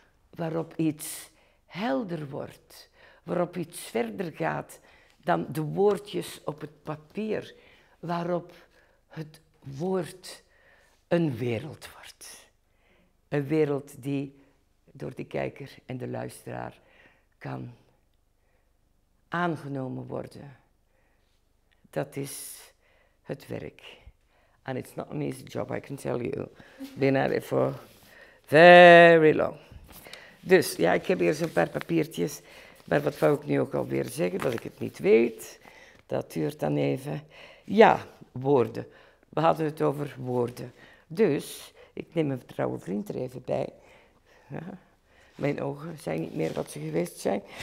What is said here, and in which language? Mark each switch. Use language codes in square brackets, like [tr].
[nl] waarop iets helder wordt, waarop iets verder gaat dan de woordjes op het papier, waarop het woord een wereld wordt. Een wereld die door de kijker en de luisteraar kan aangenomen worden. Dat is het werk. [en] And it's not an easy job, I can tell you. Been at it for very long. [nl] Dus, ja, ik heb hier zo'n paar papiertjes. Maar wat wou ik nu ook alweer zeggen, dat ik het niet weet. Dat duurt dan even. Ja, woorden. We hadden het over woorden. Dus, ik neem mijn trouwe vriend er even bij. Ja, mijn ogen zijn niet meer wat ze geweest zijn.